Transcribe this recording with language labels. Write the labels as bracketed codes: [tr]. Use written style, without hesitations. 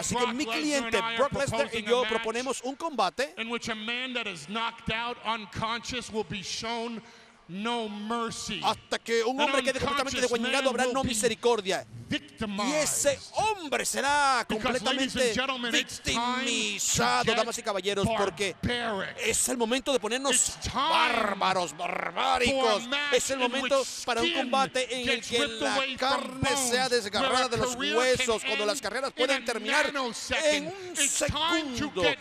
[es] así que mi cliente Brock Lesnar y yo proponemos un combate [en] en which a man that is knocked out unconscious will be shown no mercy. [es] Hasta que un hombre quede completamente desguañado habrá no misericordia. [en] Victimized. [es] Y ese hombre será completamente victimizado, damas y caballeros, porque es el momento de ponernos bárbaros, barbáricos. Es el momento para un combate en el que la carne sea desgarrada de los huesos, cuando las carreras pueden terminar en un segundo.